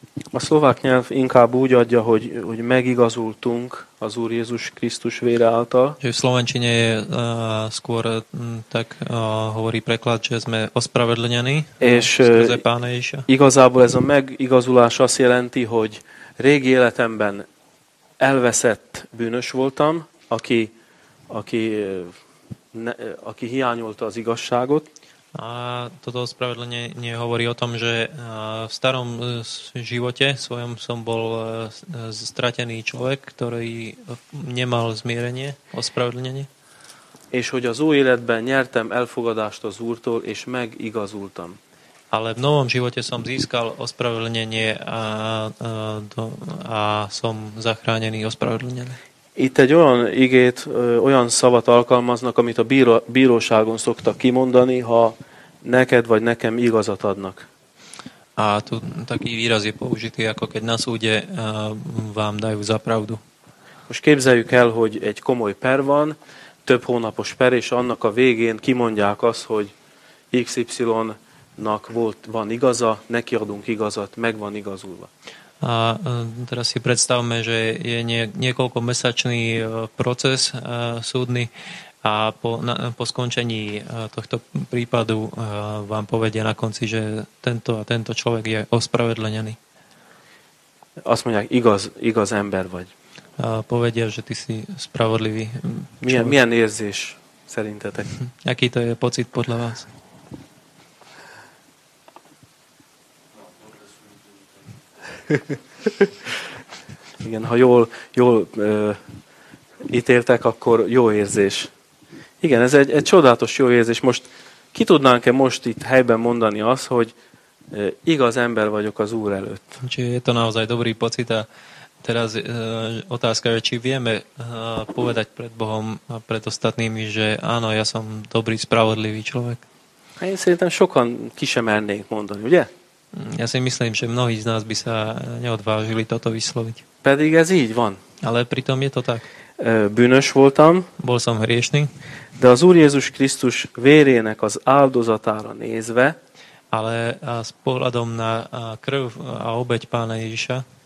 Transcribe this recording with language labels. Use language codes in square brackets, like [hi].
[hu] A slovák nyelv inkább úgy adja, hogy megigazultunk az Úr Jézus Krisztus vére által. [sk] Že v slovenčine je skôr tak hovorí preklad, že sme ospravedlnení skrze Pána Ježiša. [hu] Igazából ez a megigazulás azt jelenti, hogy régi életemben elveszett bűnös voltam, aki hiányolta az igazságot. [sk] A toto ospravedlenie hovorí o tom, že v starom živote svojom som bol stratený človek, ktorý nemal zmierenie, ospravedlenie. [hu] És hogy az új életben nyertem elfogadást az Úrtól, és megigazultam. [sk] Ale v novom živote som získal ospravedlenie a som zachránený, ospravedlenený. [hu] Itt egy olyan igét, olyan szavat alkalmaznak, amit a bíróságon szoktak kimondani, ha neked vagy nekem igazat adnak. [sk] A tu taký výraz je použitý, ako keď na súde vám dajú za pravdu. [hu] Most képzeljük el, hogy egy komoly per van, több hónapos per, és annak a végén kimondják azt, hogy XY-nak van igaza, neki adunk igazat, meg van igazulva. [sk] A teraz si predstavme, že je niekoľko mesačný proces súdny a po skončení tohto prípadu vám povedia na konci, že tento a tento človek je ospravedlenený. [hu] Azt mondják, igaz ember vagy. [sk] A povedia, že ty si spravodlivý. [hu] Milyen érzés szerintetek? [sk] Aký to je pocit podľa vás? [hu] Igen, ha jól ítéltek, akkor jó érzés. Igen, ez egy csodálatos jó érzés. Most ki tudnánk-e most itt helyben mondani azt, hogy igaz ember vagyok az Úr előtt? [sk] Úgyhogy je to naozaj dobrý pocit, a teraz otázka, hogy či vieme povedať pred Bohom a pred ostatnými, že áno, ja som dobrý, spravodlivý človek. [hu] Én szerintem sokan ki sem mernék mondani, ugye? [sk] Ja si myslím, že mnohí z nás by sa neodvážili toto vysloviť. [hu] Pedig ez így van. [sk] Ale pritom je to tak. [hu] Bűnös voltam. [sk] Bol som hriešný. [hu] De az Úr Jézus Krisztus vérének az áldozatára nézve. [sk] Ale s pohľadom na krv a obeť Pána Ježiša.